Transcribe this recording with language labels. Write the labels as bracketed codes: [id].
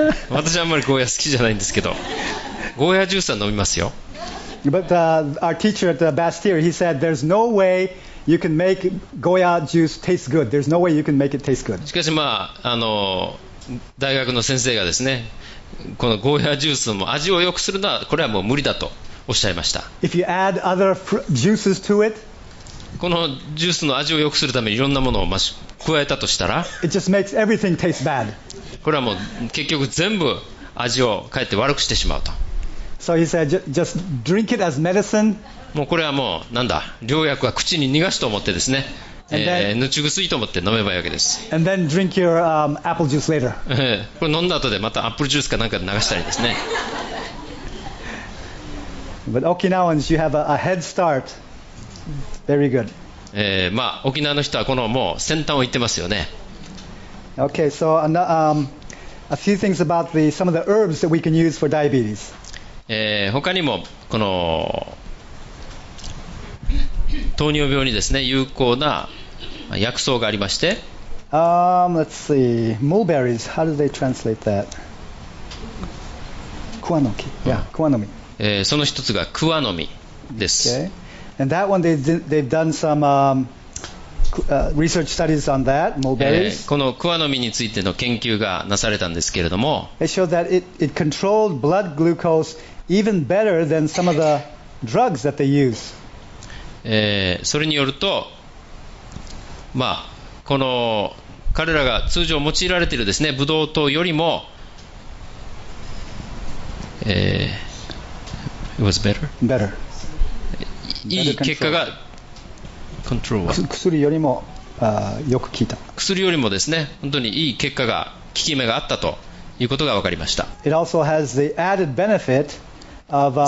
[ja] 私はあんまりゴーヤ好きじゃないんですけど、ゴーヤジュースは飲みますよ。 [en] But our teacher at the Bastille, he said, there's no way you can make goya juice taste good. There's no way you can make it taste good. [ja] しかし、まあ、大学の先生がですね、このゴーヤジュースの味を良くするのはこれはもう無理だとおっしゃいました。 [en] If you add other juices to it. [ja] このジュースの味を良くするためにいろんなものを加えたとしたら、 [en] It just makes everything taste bad. [ja] これはもう結局全部味をかえって悪くしてしまうと。 [en] So he said, just drink it as medicine. [ja] もうこれはもうなんだ、療薬は口に逃がすと思ってですね、ぬち薬と思って飲めばいいわけです。 [en] And then drink your apple juice later. [ja] これ飲んだ後でまたアップルジュースかなんか流したりですね。 [en] But Okinawans, you have a head start. Very good. [ja] まあ、沖縄の人はこのもう先端を行ってますよね。 [en] Okay, so a few things about some of the herbs that we can use for diabetes. [ja] 他にもこの糖尿病にですね有効な薬草がありまして。 [en] Let's see, mulberries. How do they translate that? [ja] Kuwanomi. Yeah, Kuwanomi. その一つがクワノミです。 [en] Okay. And that one, they've done some research studies on that, mulberries. [ja] このクワノミについての研究がなされたんですけれども、 [en] They showed that it controlled blood glucose even better than some of the drugs that they use. [ja] それによると、まあ、この彼らが通常用いられているですね、ブドウ糖よりも、 [en] it was better? Better. [ja] いい結果が薬よりもよく効いた薬よりもですね本当にいい結果が効き目があったということが分かりました。 [en] It also has the added benefit of,